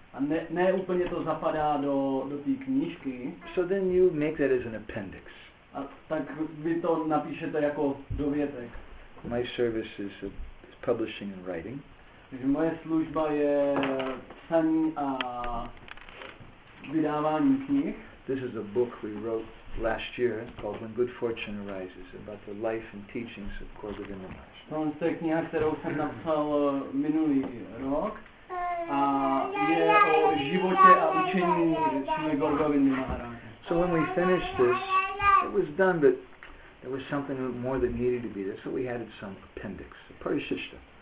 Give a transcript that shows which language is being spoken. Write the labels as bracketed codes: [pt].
[cs] A ne úplně to zapadá do té knížky. [en] So then you make that as an appendix. [cs] A tak vy to napíšete jako dovětek. [en] My service is publishing and writing. [cs] Takže moje služba je psaní a vydávání knih. [en] This is a book we wrote last year called When Good Fortune Arises about the life and teachings of Kaurabhinda Maharaj. [cs] To je kniha, kterou jsem napsal minulý rok a je o životě a učení Šrily Kaurabhinda Maharaje. [en] So when we finish this, it was done, but there was something more that needed to be there, so we added some appendix, a parishishta.